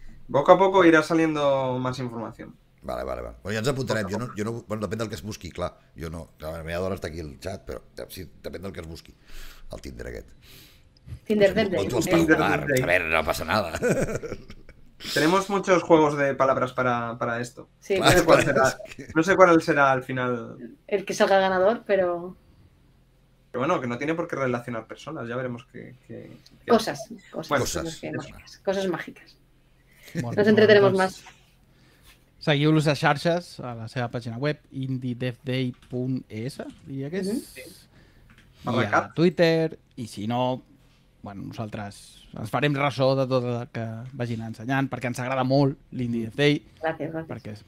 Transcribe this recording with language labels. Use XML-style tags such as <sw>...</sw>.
<es>Poco a poco irá saliendo más información.</es> <ca>Vale. Bueno, ja ens apuntarem. Jo no, bueno, depèn del que es busqui, clar. Jo no. La meva dona està aquí al chat, però sí, depèn del que es busqui, el Tinder aquest. Tinder. A veure, no passa nada.</ca> <es>Tenemos muchos juegos de palabras para esto. Sí, no sé cuál será. No sé cuál será al final. El que salga ganador, pero. Pero bueno, que no tiene por qué relacionar personas, ya veremos qué cosas. Bueno, cosas mágicas. Bueno, nos entretenemos más.</es> <ca>Seguiu-los a xarxes, a la seva pàgina web, indiedevday.es, diria que és. Sí. I a Twitter, i si no, bueno, nosaltres ens farem ressò de tot el que vagin ensenyant, perquè ens agrada molt l'Indie Dev Day. Gràcies.</ca>